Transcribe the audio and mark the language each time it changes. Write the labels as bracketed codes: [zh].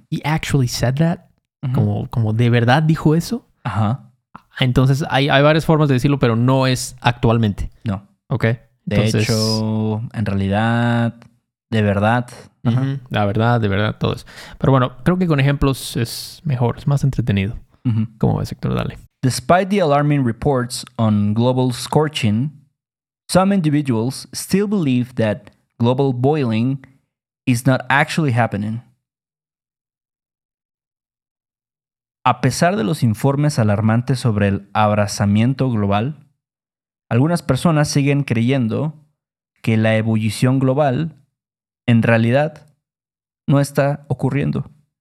[en] He actually said that. Uh-huh. [es] Como de verdad dijo eso. Ajá. Uh-huh. Entonces hay varias formas de decirlo, pero no es actualmente. No. [en] Ok. [es] De hecho, en realidad, de verdad. Uh-huh. Uh-huh. De verdad, todo eso. Pero bueno, creo que con ejemplos es mejor, es más entretenido. Uh-huh. ¿Cómo ves, Héctor? Dale. [en] Despite the alarming reports on global scorching, some individuals still believe that global boiling is not actually happening. [es] A pesar de los informes alarmantes sobre el abrasamiento global, algunas personas siguen creyendo que la ebullición global en realidad no está ocurriendo.